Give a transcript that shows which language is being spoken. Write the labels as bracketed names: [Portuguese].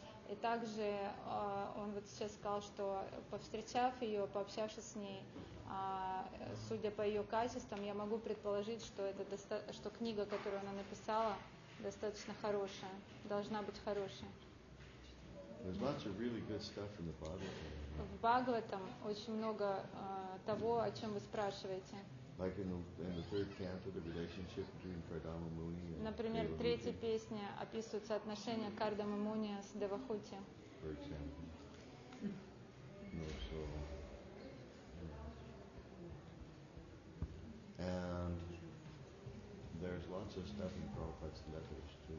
[Russian] И также он вот сейчас сказал, что повстречав ее, пообщавшись с ней, судя по ее качествам, я могу предположить, что это что книга, которую она написала, достаточно хорошая, должна быть хорошей. [English] There's lots of really good stuff in the Bhagavatam. [Russian] В Бхагаватам очень много того, о чем вы спрашиваете. [English] Like in the third canto, the relationship between Kardama Muni and [Russian] Например, в третьей песне описываются отношения Кардама Муни с Девахути. [English] For example. No, so, and there's lots of stuff in Prabhupada's letters too.